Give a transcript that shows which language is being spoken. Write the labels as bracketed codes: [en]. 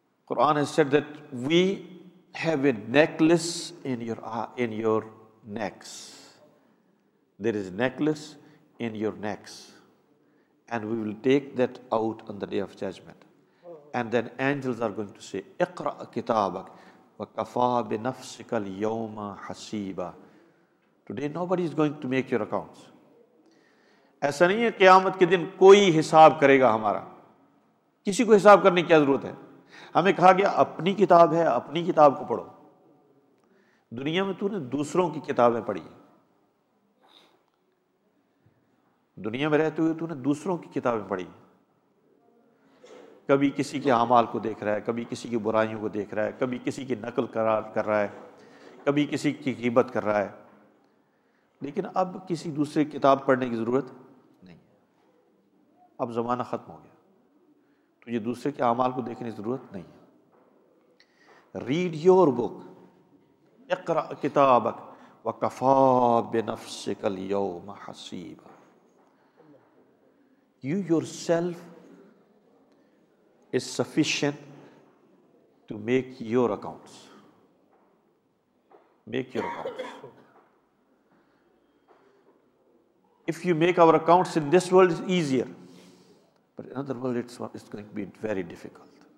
[en] Quran has said that we have a necklace in your necks. There is a necklace in your necks, and we will take that out on the day of judgment. And then angels are going to say, [ar] اقرأ كتابك وكفى بنفسك اليوم حسيبا. [en] Today nobody is going to make your accounts. [ur] ایسا نہیں ہے قیامت کے دن کوئی حساب کرے گا ہمارا. کسی کو حساب کرنے کی کیا ضرورت ہے؟ ہمیں کہا گیا اپنی کتاب ہے، اپنی کتاب کو پڑھو. دنیا میں تو نے دوسروں کی کتابیں پڑھی ہیں، دنیا میں رہتے ہوئے تو نے دوسروں کی کتابیں پڑھی ہیں. کبھی کسی کے اعمال کو دیکھ رہا ہے، کبھی کسی کی برائیوں کو دیکھ رہا ہے، کبھی کسی کی نقل قرار کر رہا ہے، کبھی کسی کی غیبت کر رہا ہے، لیکن اب کسی دوسرے کتاب پڑھنے کی ضرورت نہیں. اب زمانہ ختم ہو گیا، تجھے دوسرے کے اعمال کو دیکھنے کی ضرورت نہیں ہے. [en] read your book, [ar] اقرا کتابک وکفا بنفسک الیوم حسیبا. [en] You yourself is sufficient to make your accounts. Make your accounts. If you make our accounts in this world, it's easier. But in another world, it's going to be very difficult.